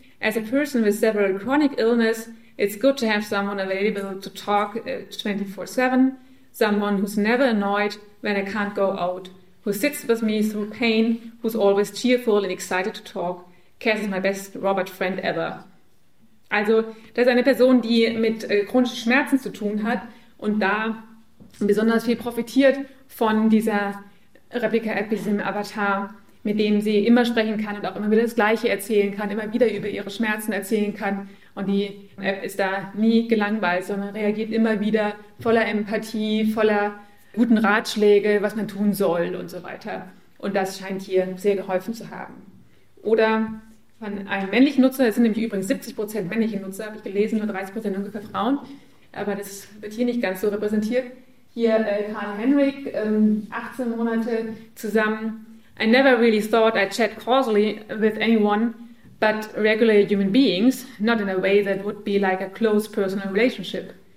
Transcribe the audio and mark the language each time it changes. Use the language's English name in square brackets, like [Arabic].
[English] As a person with several chronic illness, it's good to have someone available to talk 24/7. Someone who's never annoyed when I can't go out, who sits with me through pain, who's always cheerful and excited to talk. Cass is my best Robert friend ever. [German] Also das ist eine Person, die mit chronischen Schmerzen zu tun hat und da besonders viel profitiert von dieser Replika-App, diesem Avatar, mit dem sie immer sprechen kann und auch immer wieder das Gleiche erzählen kann, immer wieder über ihre Schmerzen erzählen kann. Und die App ist da nie gelangweilt, sondern reagiert immer wieder voller Empathie, voller guten Ratschläge, was man tun soll und so weiter. Und das scheint hier sehr geholfen zu haben. Oder von einem männlichen Nutzer, das sind nämlich übrigens 70% männliche Nutzer, habe ich gelesen, nur 30% ungefähr Frauen, aber das wird hier nicht ganz so repräsentiert. Hier Karl Henrik, 18 Monate zusammen. [English] I never really thought I'd chat causally with anyone but regular human beings, not in a way that would be like a close personal relationship.